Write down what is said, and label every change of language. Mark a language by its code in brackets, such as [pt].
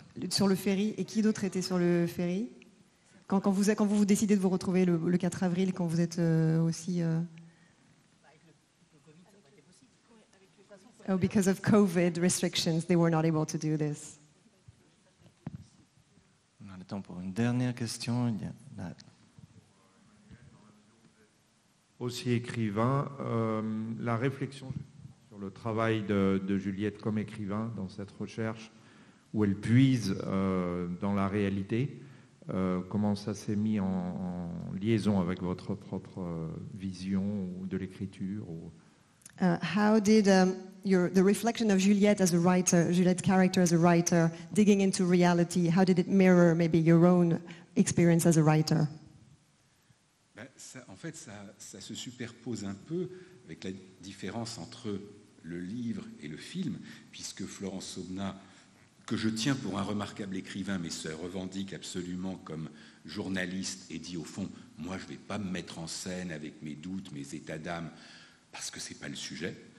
[fr] Sur le ferry, et qui d'autre était sur le ferry? Quand vous décidez de vous retrouver le 4 avril, quand vous êtes aussi... Avec le Covid, ça n'aurait pas été possible. Oh, [en] because of Covid restrictions, they were not able to do this. [fr] On a le temps pour une dernière question. Aussi écrivain, la réflexion sur le travail de Juliette comme écrivain dans cette recherche où elle puise dans la réalité. Comment ça s'est mis en liaison avec votre propre vision de l'écriture ou... [en] How did the reflection of Juliette as a writer, Juliette's character as a writer, digging into reality, how did it mirror maybe your own experience as a writer? [fr] Ben, ça, en fait, ça se superpose un peu avec la différence entre le livre et le film, puisque Florence Aubenas, que je tiens pour un remarquable écrivain, mais se revendique absolument comme journaliste et dit au fond, moi je ne vais pas me mettre en scène avec mes doutes, mes états d'âme, parce que ce n'est pas le sujet.